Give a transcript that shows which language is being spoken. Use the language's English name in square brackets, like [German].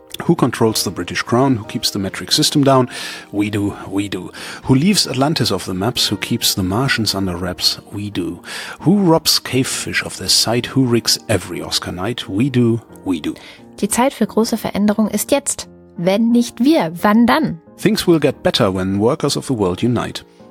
[English] Who controls the British crown? Who keeps the metric system down? We do, we do. Who leaves Atlantis off the maps? Who keeps the Martians under wraps? We do. Who robs cavefish of their sight? Who rigs every Oscar night? We do, we do. [German] Die Zeit für große Veränderung ist jetzt. Wenn nicht wir, wann dann? [English] Things will get better when workers of the world unite.